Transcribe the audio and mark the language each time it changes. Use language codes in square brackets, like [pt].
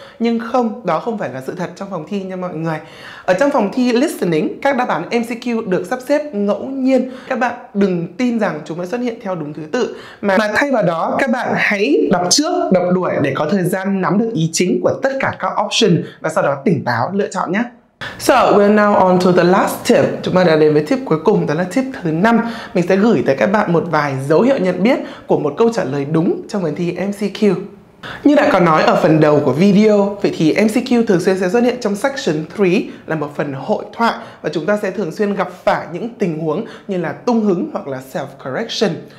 [vi] Nhưng không, đó không phải là sự thật trong phòng thi nha mọi người. Ở trong phòng thi listening, các đáp án MCQ được sắp xếp ngẫu nhiên. Các bạn đừng tin rằng chúng mới xuất hiện theo đúng thứ tự. Mà thay vào đó, các bạn hãy đọc trước, đọc đuổi để có thời gian nắm được ý chính của tất cả các option và sau đó tỉnh táo lựa chọn nhé. [en] So, we're now on to the last tip. [vi] Chúng ta đã đến với tip cuối cùng, đó là tip thứ 5. Mình sẽ gửi tới các bạn một vài dấu hiệu nhận biết của một câu trả lời đúng trong phần thi MCQ. Như đã có nói ở phần đầu của video, vậy thì MCQ thường xuyên sẽ xuất hiện trong section 3 là một phần hội thoại và chúng ta sẽ thường xuyên gặp phải những tình huống như là tung hứng hoặc là self-correction.